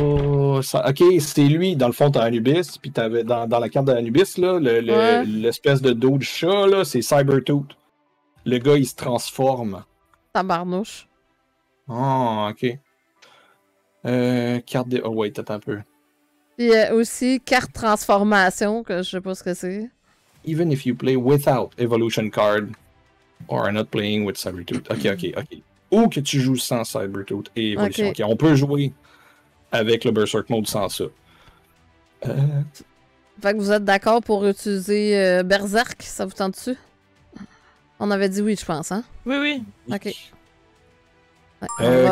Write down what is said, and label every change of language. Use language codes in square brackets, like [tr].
[fr] Oh, ok, c'est lui, dans le fond, t'as Anubis, puis t'avais dans la carte d'Anubis, là, l'espèce de dos de chat, là, c'est Cybertooth. Le gars, il se transforme. Tabarnouche. Ah, oh, ok. Carte de... Oh, wait, attends un peu. Il y a aussi carte transformation, que je sais pas ce que c'est. [en] Even if you play without evolution card, or are not playing with Cybertooth. [fr] Ok. Ou que tu joues sans Cybertooth et évolution. Okay. Ok, on peut jouer avec le Berserk Mode sans ça. Fait que vous êtes d'accord pour utiliser Berserk, ça vous tente-tu? On avait dit oui, je pense, hein? Oui. Ok. Ouais,